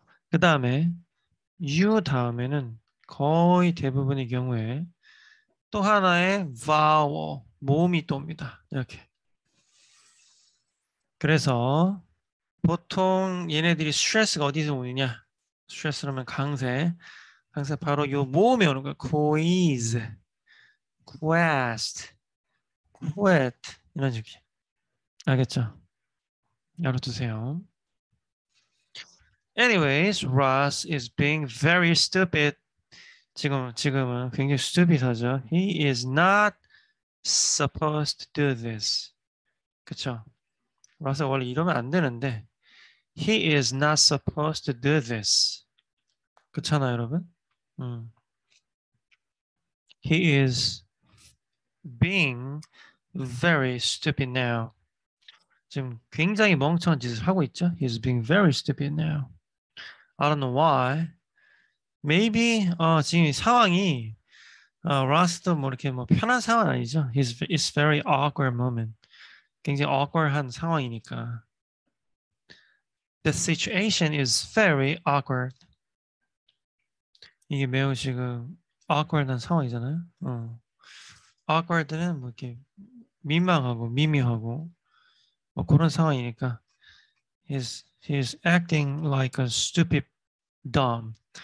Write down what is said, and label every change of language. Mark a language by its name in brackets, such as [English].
[Korean] 그 다음에 U 다음에는 거의 대부분의 경우에 또 하나의 Vowel, 모음이 또 옵니다. 이렇게. 그래서 보통 얘네들이 스트레스가 어디서 오느냐? 스트레스라면 강세. 항상 바로 요 모음이 오는 거야. quiz, quest, quit 이런 식이야. 알겠죠? 알아두세요. [English] Anyways, Ross is being very stupid. [Korean] 지금은 굉장히 stupid하죠. [English] He is not supposed to do this. [Korean] 그쵸? Ross 원래 이러면 안 되는데 [English] He is not supposed to do this. [Korean] 그렇잖아요, 여러분? [English] He is being very stupid now. [Korean] 지금 굉장히 멍청한 짓을 하고 있죠? [English] He is being very stupid now. I don't know why. [Korean] Maybe 지금 상황이 Ross도 뭐 이렇게 뭐 편한 상황 아니죠? [English] It's very awkward moment. [Korean] 굉장히 awkward한 상황이니까. [English] The situation is very awkward. [Korean] 이게 매우 지금 awkward한 상황이잖아요. Awkward는 뭐 이렇게 민망하고 미미하고 뭐 그런 상황이니까. [English] He's acting like a stupid dumb.